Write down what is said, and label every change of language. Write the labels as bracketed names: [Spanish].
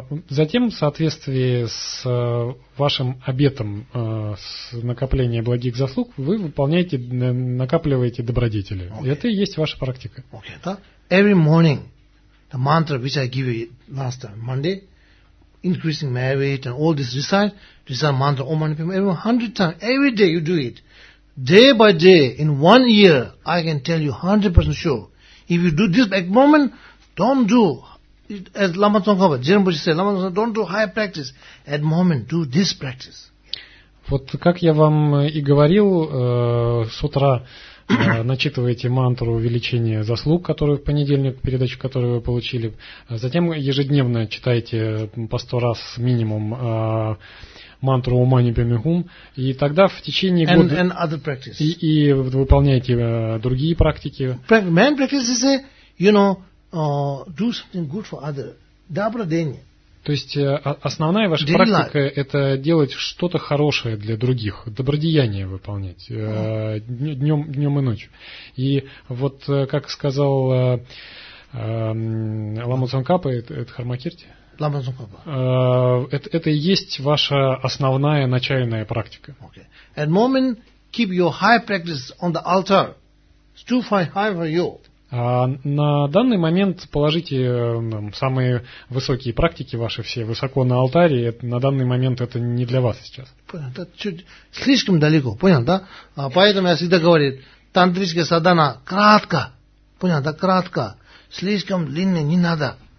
[Russian] Затем, в соответствии с вашим обетом с накопления благих заслуг, вы выполняете, накапливаете добродетели. [English] Okay. [Russian] Это и есть ваша практика. [English] Okay, да? Every morning, the mantra which I give you last time, Monday, increasing merit and all this recite mantra, Om Mani Padme, every 100 times, every day you do it, day by day, in 1 year, I can tell you 100% sure, if you do this at moment, don't do. As Lama Tsongkhapa, Jinrinpoche said, Lama Tsongkhapa, don't do high practice. At the moment, do this practice. [Russian] Вот как я вам и говорил, с утра начитываете мантру увеличения заслуг, которую в понедельник, передачу, которую вы получили. Затем ежедневно читаете по 100 раз минимум мантру Ом Мани Падме Хум. И тогда в течение года... [English] And other practice. [Russian] И выполняете другие практики. [English] Main practice is, you know, do something good for others. Dabra Deni. [Russian] То есть основная ваша практика – это делать что-то хорошее для других, добродеяние выполнять днем и ночью. И вот как сказал Лама Цонкапа, это Хармакирти? Лама Цонкапа. Это и есть ваша основная начальная практика. [English] Okay. At the moment, keep your high practice on the altar. It's too high for you. [Russian] На данный момент положите самые высокие практики ваши все высоко на алтарь, и на данный момент это не для вас сейчас. Понял, чуть слишком далеко, понял, да? Поэтому я всегда говорю, тантрическая садхана кратко, понял, да, кратко, слишком длинно не надо.